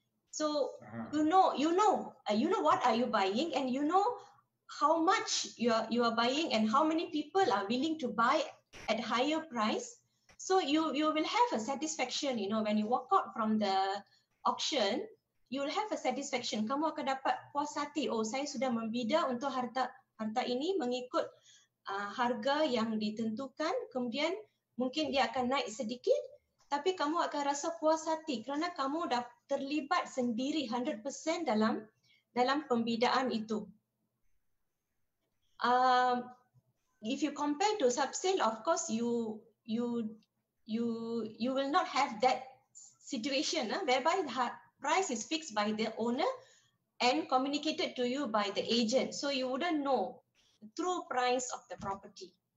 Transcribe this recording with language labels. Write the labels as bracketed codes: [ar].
[en] So you know what are you buying and you know how much you are buying and how many people are willing to buy at higher price. So you will have a satisfaction, you know, when you walk out from the auction. You'll have a satisfaction. [ms] Kamu akan dapat puas hati. Oh, saya sudah membida untuk harta ini mengikut harga yang ditentukan. Kemudian mungkin dia akan naik sedikit, tapi kamu akan rasa puas hati kerana kamu dah terlibat sendiri 100% dalam pembidaan itu. [en] If you compare to subsale, of course you will not have that situation, whereby price is fixed by the owner and communicated to you by the agent, so you wouldn't know the true price of the property.